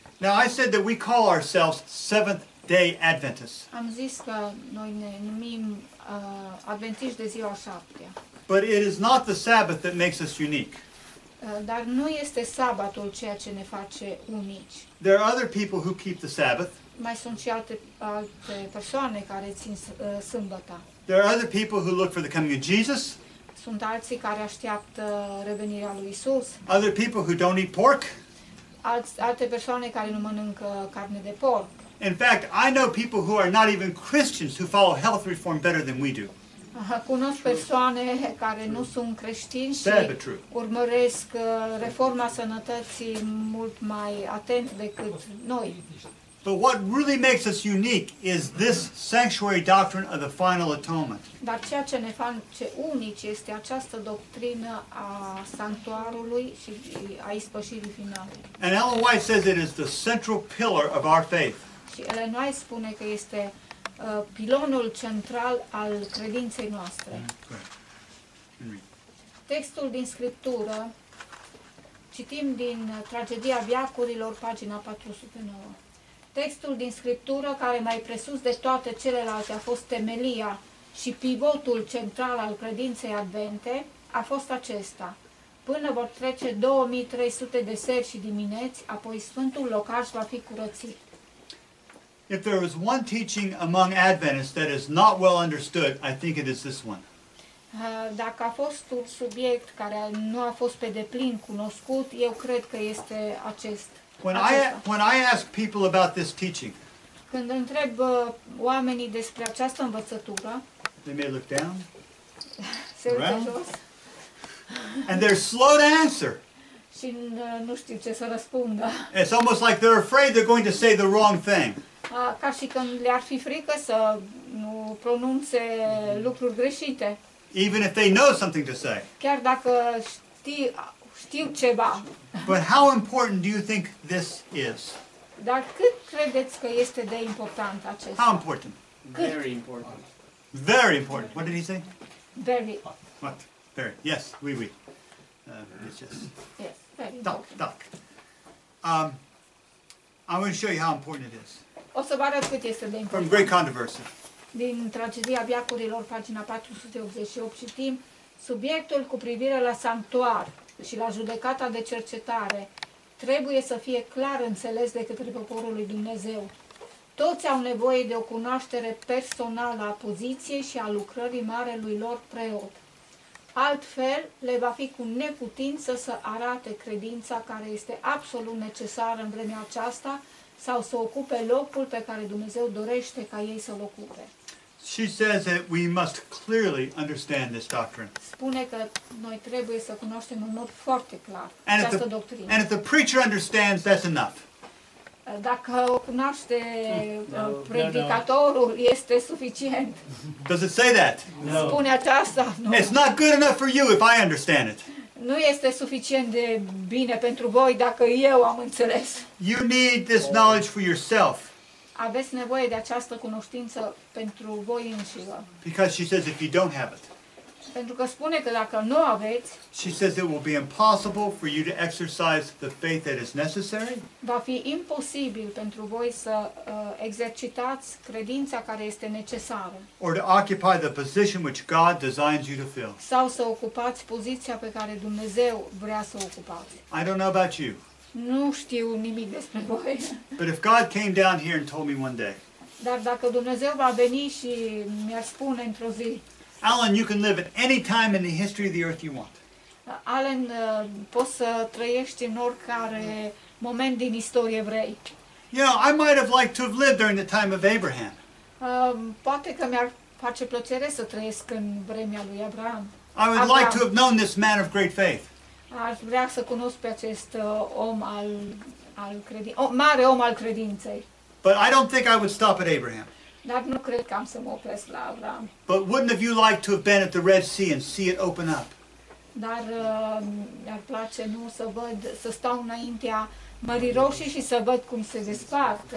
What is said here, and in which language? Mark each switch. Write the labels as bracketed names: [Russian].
[English] Now I said that we call ourselves Seventh-day Adventists. [Romanian] Am zis că noi ne numim adventiști de ziua a șaptea. [English] But it is not the Sabbath that makes us unique. [Romanian] Dar nu este sabatul ceea ce ne face unici. [English] There are other people who keep the Sabbath. [Romanian] Mai sunt și alte persoane care țin sâmbăta. [English] There are other people who look for the coming of Jesus. [Romanian] Sunt alții care așteaptă revenirea lui Isus. [English] Other people who don't eat pork. [Romanian] Alte persoane care nu mănâncă carne de porc. [English] In fact, I know people who are not even Christians who follow health reform better than we do. [Romanian] Cunosc persoane care nu sunt creștini și urmăresc reforma sănătății mult mai atent decât noi. [English] But what really makes us unique is this sanctuary doctrine of the final atonement. [Romanian] Dar ceea ce ne face unici este această doctrină a sanctuarului și a ispășirii finale. [English] And Ellen White says it is the central pillar of our faith. [Romanian] Și Ellen White spune că este pilonul central al credinței noastre. Textul din Scriptură, citim din Tragedia Viacurilor, pagina 409. Textul din Scriptură care mai presus de toate celelalte a fost temelia și pivotul central al credinței advente a fost acesta. Până vor trece 2300 de seri și dimineți, apoi Sfântul Locaș va fi curățit. [English] If there is one teaching among Adventists that is not well understood, I think it is this one. [Romanian] Dacă a fost un subiect care nu a fost pe deplin cunoscut, eu cred că este acest. [English] When I ask people about this teaching, [Romanian] când întreb oamenii despre această învățătură, [English] they may look down, [Romanian] se uită jos, [English] and they're slow to answer. [Romanian] Și nu știu ce să răspundă. [English] It's almost like they're afraid they're going to say the wrong thing. [Romanian] Ca și când le-ar fi frică să nu pronunțe lucruri greșite. [English] Even if they know something to say. [Romanian] Chiar dacă știu ceva. [English] But how important do you think this is? [Romanian] Dar cât credeți că este de important acest? [English] How important? [Romanian] Cât? [English] Very important. Very important. What did he say? Very. What? Very. Yes. [French] Oui, oui. [English] It's just. Yes. Very. Doc, important. Doc. I want to show you how important it is. [Romanian] O să vă arăt cât este de important. [English] From Great Controversy. [Romanian] Din Tragedia Biacurilor, pagina 488, citim subiectul cu privire la sanctuar și la judecata de cercetare trebuie să fie clar înțeles de către poporul lui Dumnezeu. Toți au nevoie de o cunoaștere personală a poziției și a lucrării marelui lor preot. Altfel, le va fi cu neputință să arate credința care este absolut necesară în vremea aceasta sau să ocupe locul pe care Dumnezeu dorește ca ei să-l ocupe. [English] She says that we must clearly understand this doctrine. [Romanian] Spune că noi trebuie să cunoaștem în mod foarte clar această doctrină. [English] And if the preacher understands, that's enough. [Romanian] Dacă o cunoaște predicatorul, este suficient. [English] Does it say that? No. [Romanian] Spune aceasta. [English] No. It's not good enough for you if I understand it. [Romanian] Nu este suficient de bine pentru voi dacă eu am înțeles. [English] You need this knowledge for yourself. [Romanian] Aveți nevoie de această cunoștință pentru voi înșivă. [English] Because she says if you don't have it. [Romanian] Pentru că spune că dacă nu aveți. [English] She says it will be impossible for you to exercise the faith that is necessary. [Romanian] Va fi imposibil pentru voi să exercitați credința care este necesară. [English] Or to occupy the position which God designs you to fill. [Romanian] Sau să ocupați poziția pe care Dumnezeu vrea să o ocupați. [English] I don't know about you. [Romanian] Nu știu nimic despre voi. [English] But if God came down here and told me one day. [Romanian] Dar dacă Dumnezeu va veni și mi-ar spune într-o zi. [English] Alan, you can live at any time in the history of the earth you want. [Romanian] Alan, poți să trăiești în oricare moment din istorie vrei. [English] You know, I might have liked to have lived during the time of Abraham. [Romanian] Poate că mi-ar face plăcere să trăiesc în vremea lui Abraham. [English] I would like to have known this man of great faith. [Romanian] Aș vrea să cunosc pe acest om al credinței, mare om al credinței. [English] But I don't think I would stop at Abraham. [Romanian] Dar nu cred că am să mă opresc la Abraham. [English] But wouldn't have you liked to have been at the Red Sea and see it open up? [Romanian] Dar mi-ar place nu să văd, să stau înaintea Mării Roșii și să văd cum se despart.